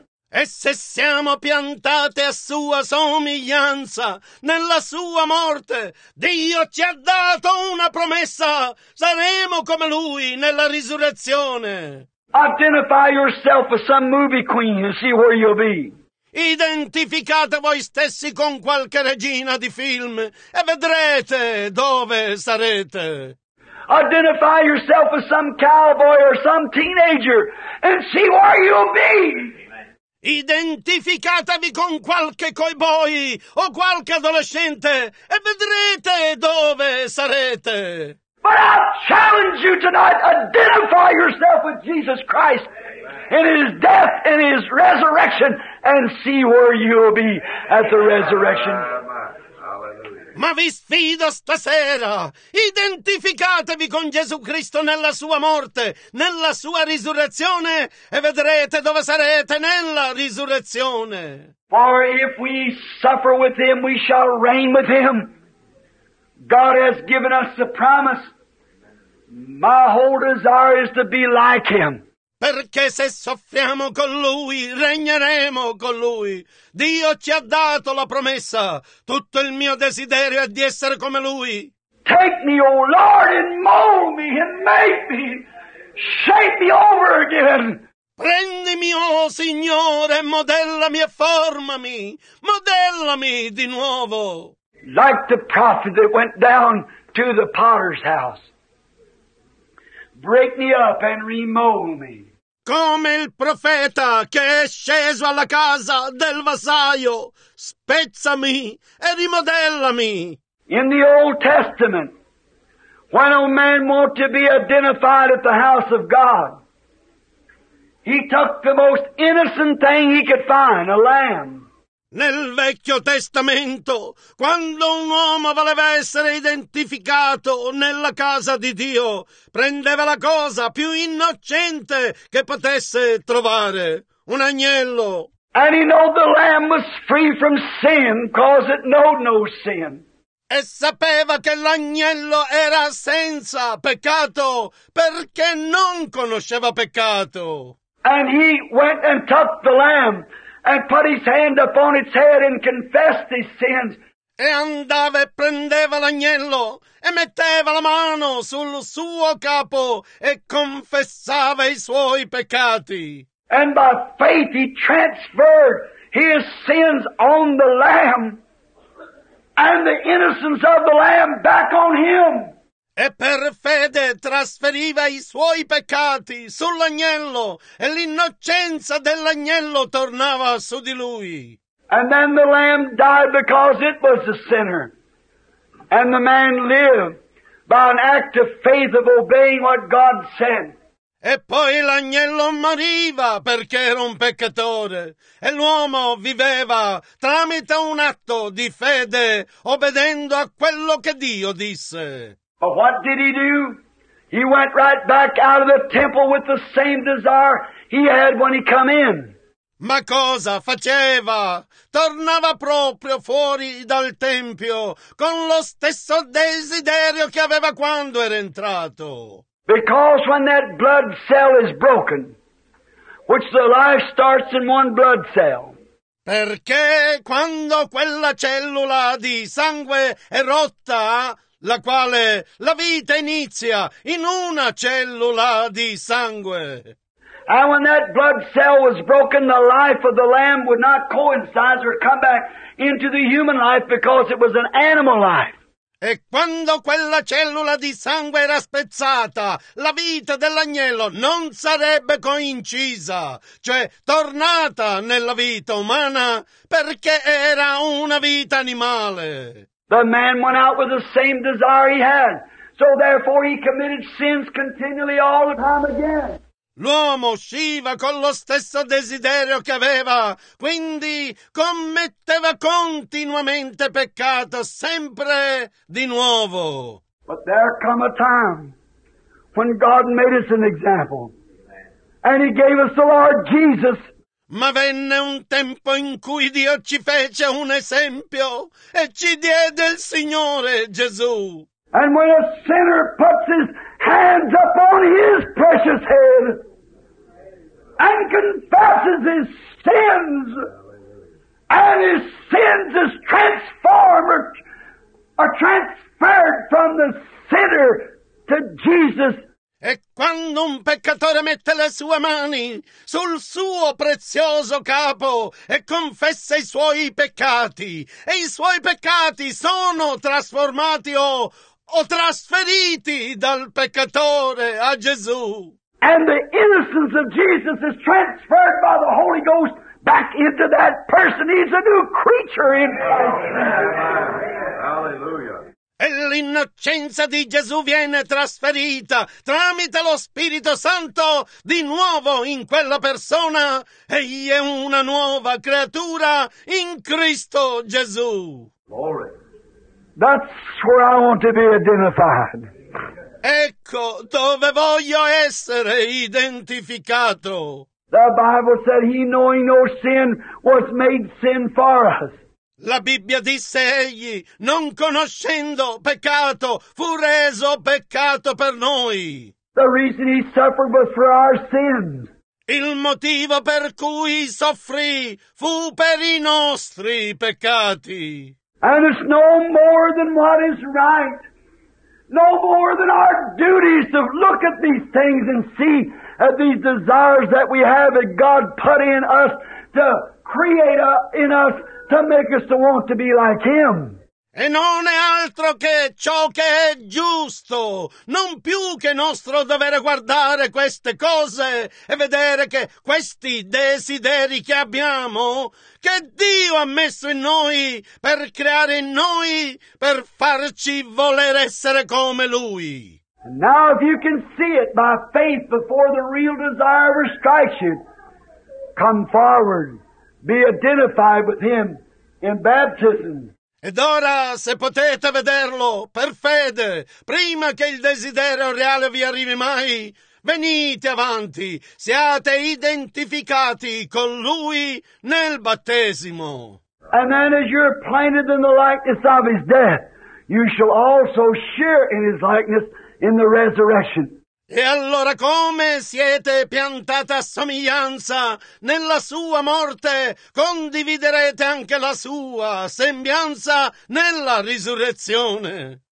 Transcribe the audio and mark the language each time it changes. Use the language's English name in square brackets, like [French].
[Italian] E se siamo piantate a sua somiglianza nella sua morte, Dio ci ha dato una promessa, saremo come Lui nella risurrezione. [English] Identify yourself with some movie queen and see where you'll be. [Italian] Identificate voi stessi con qualche regina di film e vedrete dove sarete. [English] Identify yourself with some cowboy or some teenager and see where you'll be. [Italian] Identificatevi con qualche cowboy o qualche adolescente e vedrete dove sarete. [English] But I challenge you tonight, identify yourself with Jesus Christ in His death, in His resurrection, and see where you'll be at the resurrection. [Italian] Ma vi sfido stasera, identificatevi con Gesù Cristo nella sua morte, nella sua risurrezione, e vedrete dove sarete nella risurrezione. [English] For if we suffer with Him, we shall reign with Him. God has given us the promise. My whole desire is to be like Him. [Italian] Perché se soffriamo con Lui, regneremo con Lui. Dio ci ha dato la promessa. Tutto il mio desiderio è di essere come Lui. [English] Take me, O Lord, and mold me, and make me, shape me over again. [Italian] Prendimi, oh Signore, modellami e formami. Modellami di nuovo. [English] Like the prophet that went down to the potter's house. Break me up and remold me. [Italian] Come il profeta che è sceso alla casa del vasaio. Spezzami e rimodellami. [English] In the Old Testament, when a man wanted to be identified at the house of God, he took the most innocent thing he could find, a lamb. [Italian] Nel Vecchio Testamento, quando un uomo voleva essere identificato nella casa di Dio, prendeva la cosa più innocente che potesse trovare, un agnello. [English] And he knew the lamb was free from sin, cause it knowed no sin. [Italian] E sapeva che l'agnello era senza peccato, perché non conosceva peccato. [English] And he went and took the lamb and put his hand upon its head and confessed his sins. [Italian] E andava e prendeva l'agnello e metteva la mano sul suo capo e confessava i suoi peccati. [English] And by faith he transferred his sins on the lamb and the innocence of the lamb back on him. [Italian] E per fede trasferiva i suoi peccati sull'agnello e l'innocenza dell'agnello tornava su di lui. [English] And then the lamb died because it was a sinner. And the man lived by an act of faith of obeying what God said. [Italian] E poi l'agnello moriva perché era un peccatore. E l'uomo viveva tramite un atto di fede obbedendo a quello che Dio disse. [English] But what did he do? He went right back out of the temple with the same desire he had when he come in. [Italian] Ma cosa faceva? Tornava proprio fuori dal tempio con lo stesso desiderio che aveva quando era entrato. [English] Because when that blood cell is broken, which the life starts in one blood cell. [Italian] Perché quando quella cellula di sangue è rotta, la quale la vita inizia in una cellula di sangue. [English] And when that blood cell was broken, the life of the lamb would not coincide or come back into the human life because it was an animal life. [Italian] E quando quella cellula di sangue era spezzata, la vita dell'agnello non sarebbe coincisa, cioè tornata nella vita umana, perché era una vita animale. [English] The man went out with the same desire he had, so therefore he committed sins continually all the time again. [Italian] L'uomo usciva con lo stesso desiderio che aveva, quindi commetteva continuamente peccato, sempre di nuovo. [English] But there come a time when God made us an example, and he gave us the Lord Jesus. [Italian] Ma venne un tempo in cui Dio ci fece un esempio e ci diede il Signore Gesù. [English] And when a sinner puts his hands upon his precious head and confesses his sins, and his sins is transformed or transferred from the sinner to Jesus. [Italian] E quando un peccatore mette le sue mani sul suo prezioso capo e confessa i suoi peccati, e i suoi peccati sono trasformati o trasferiti dal peccatore a Gesù. [English] And the innocence of Jesus is transferred by the Holy Ghost back into that person. He's a new creature in Christ. Hallelujah. [Italian] E l'innocenza di Gesù viene trasferita tramite lo Spirito Santo di nuovo in quella persona. Egli è una nuova creatura in Cristo Gesù. [English] Glory. That's where I want to be identified. [Italian] Ecco dove voglio essere identificato. [English] The Bible said he knowing no sin was made sin for us. [Italian] La Bibbia disse egli non conoscendo peccato fu reso peccato per noi. [English] The reason he suffered was for our sins. [Italian] Il motivo per cui soffrì fu per i nostri peccati. [English] And it's no more than what is right. No more than our duties to look at these things and see these desires that we have that God put in us to create in us to make us to want to be like Him. [Italian] E non è altro che ciò che è giusto, non più che nostro dovere guardare queste cose e vedere che questi desideri che abbiamo, che Dio ha messo in noi per creare in noi, per farci voler essere come Lui. [English] Now if you can see it by faith before the real desire strikes you, come forward, be identified with Him in baptism. [Italian] Ed ora, se potete vederlo per fede, prima che il desiderio reale vi arrivi mai, venite avanti, siate identificati con Lui nel battesimo. [English] And then as you're planted in the likeness of His death, you shall also share in His likeness in the resurrection. [Italian] E allora come siete piantati a somiglianza nella sua morte, condividerete anche la sua sembianza nella risurrezione.